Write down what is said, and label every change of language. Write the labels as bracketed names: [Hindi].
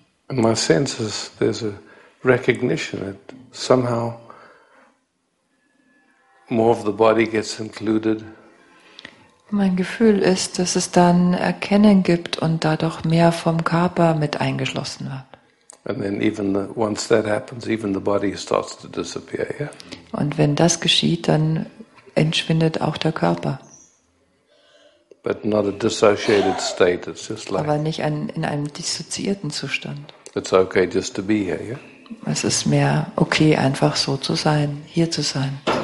[English] My sense is there's a recognition that somehow more of the body gets included. [German] Mein Gefühl ist, dass es dann Erkennen gibt und dadurch mehr vom Körper mit eingeschlossen wird. [English] And then even the, once that happens, even the body starts to disappear, yeah? [German] Und wenn das geschieht, dann entschwindet auch der Körper. [English] But not a dissociated state, it's just like. [German] Aber nicht in einem dissoziierten Zustand. [English] It's okay just to be here, yeah? [German] Es ist mehr okay, einfach so zu sein, hier zu sein.